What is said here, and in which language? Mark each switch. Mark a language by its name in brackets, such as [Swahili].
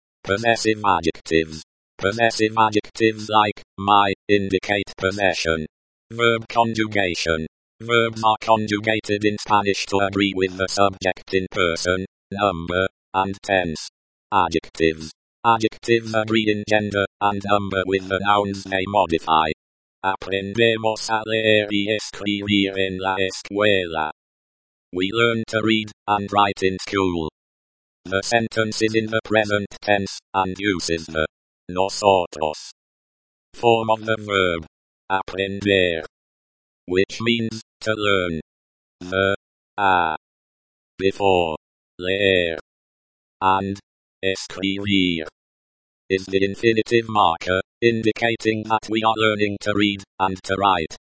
[English] Possessive adjectives. Possessive adjectives like my indicate possession. Verb conjugation. Verbs are conjugated in Spanish to agree with the subject in person, number, and tense. Adjectives. Adjectives agree in gender and number with the nouns they modify. [Spanish] Aprendemos a leer y escribir en la escuela. [English] We learn to read and write in school. The sentence is in the present tense and uses the nosotros form of the verb aprender, which means to learn. The a before leer and escribir is the infinitive marker, indicating that we are learning to read and to write.